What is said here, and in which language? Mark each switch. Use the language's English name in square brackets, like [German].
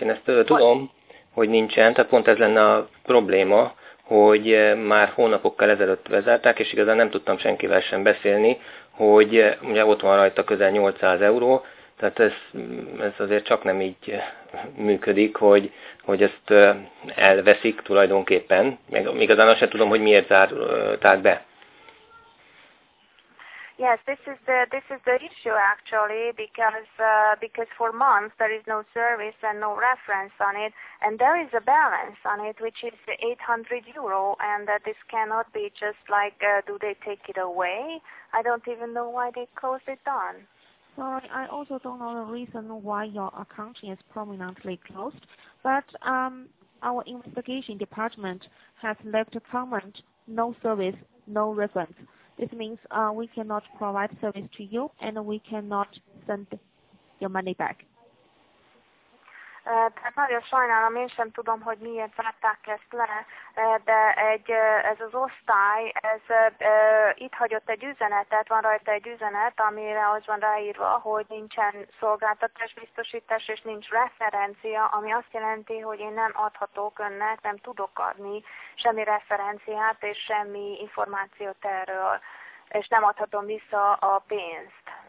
[Hungarian] Én ezt tudom, hogy nincsen, tehát pont ez lenne a probléma, hogy már hónapokkal ezelőtt bezárták, és igazán nem tudtam senkivel sem beszélni, hogy ugye ott van rajta közel 800 euró, tehát ez azért csak nem így működik, hogy ezt elveszik tulajdonképpen, meg igazán azt sem tudom, hogy miért zárták be. [English] Yes, this is the issue actually because for months there is no service and no reference on it, and there is a balance on it which is 800 euro, and that this cannot be just like do they take it away? I don't even know why they closed it down. Sorry, I also don't know the reason why your account is permanently closed, but our investigation department has left a comment: no service, no reference. This means we cannot provide service to you, and we cannot send your money back. [Hungarian] Tehát nagyon sajnálom, én sem tudom, hogy miért zárták ezt le, de ez az osztály, ez itt hagyott egy üzenetet, van rajta egy üzenet, amire az van ráírva, hogy nincsen szolgáltatás, biztosítás, és nincs referencia, ami azt jelenti, hogy én nem adhatok önnek, nem tudok adni semmi referenciát és semmi információt erről, és nem adhatom vissza a pénzt.